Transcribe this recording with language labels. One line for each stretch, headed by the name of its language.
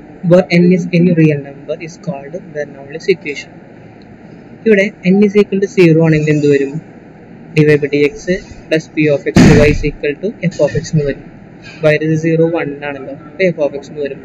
English: Where n is any real number is called Bernoulli's equation. ഇവിടെ n is equal to 0
Malayalam: ആണെങ്കിൽ എന്ത് വരും?
English: dy by dx plus p of x y is equal to f of x
Malayalam: എന്ന് വരും.
English: y is 0, 1
Malayalam: ആണല്ലോ, അപ്പോൾ
English: f of x
Malayalam: എന്ന് വരും.